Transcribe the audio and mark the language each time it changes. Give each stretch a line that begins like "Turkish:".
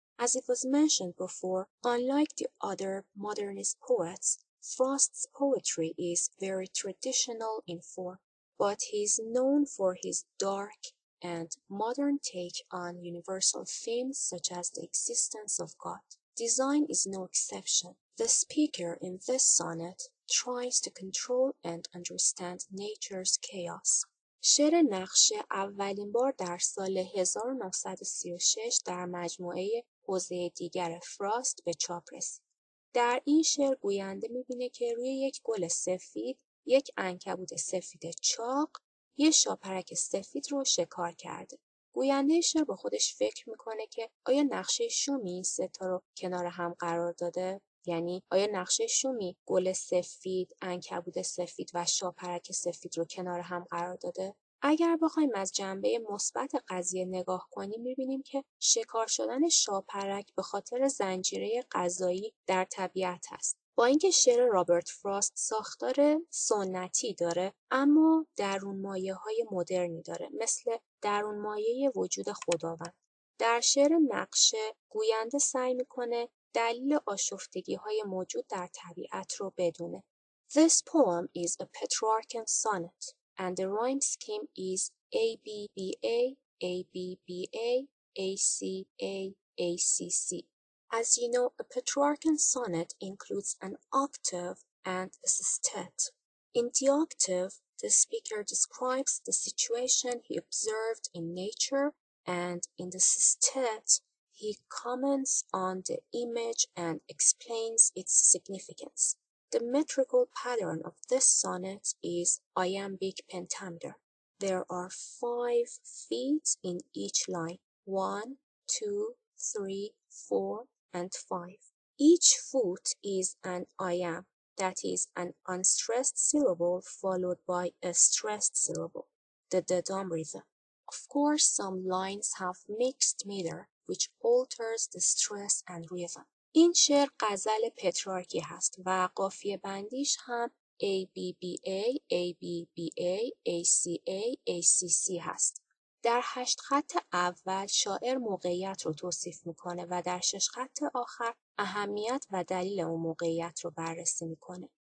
English: As it was mentioned before, unlike the other modernist poets, Frost's poetry is very traditional in form, but he is known for his dark and modern take on universal themes such as the existence of God. Design is no exception. The speaker in this sonnet tries to control and understand nature's chaos.
Persian: شعر نقشه اولین بار در سال 1936 در مجموعه حوزه دیگر فراست به چاپ رسید. در این شعر گوینده می‌بینه که روی یک گل سفید، یک عنکبوت سفید چاق، یه شاپرک سفید رو شکار کرده. گوینده شعر با خودش فکر می‌کنه که آیا نقشه شومی این ستا رو کنار هم قرار داده؟ یعنی آیا نقشه شومی گل سفید، عنکبوت سفید و شاپرک سفید رو کنار هم قرار داده؟ اگر بخوایم از جنبه مثبت قضیه نگاه کنیم می‌بینیم که شکار شدن شاپرک به خاطر زنجیره غذایی در طبیعت است. با اینکه شعر رابرت فراست ساختار سنتی داره اما درون مایه های مدرنی داره، مثل درون مایه وجود خداوند. در شعر نقشه گوینده سعی می‌کنه دلیل آشفتگی های موجود در طبیعت رو بدونه.
English: This poem is a Petrarchan sonnet and the rhyme scheme is ABBA, ABBA, ACA, ACC. As you know, a Petrarchan sonnet includes an octave and a sestet. In the octave, the speaker describes the situation he observed in nature, and in the sestet, he comments on the image and explains its significance. The metrical pattern of this sonnet is iambic pentameter. There are 5 feet in each line, 1, 2, 3, 4, and 5. Each foot is an iamb, that is an unstressed syllable followed by a stressed syllable, the dadam rhythm. Of course, some lines have mixed meter, which alters the stress and rhythm.
Persian: این شعر غزل پترارکی هست و قافیه بندیش هم ABBA, ABBA, ACA, ACC هست. در 8 خط اول شاعر موقعیت رو توصیف میکنه و در 6 خط آخر اهمیت و دلیل اون موقعیت رو بررسی میکنه.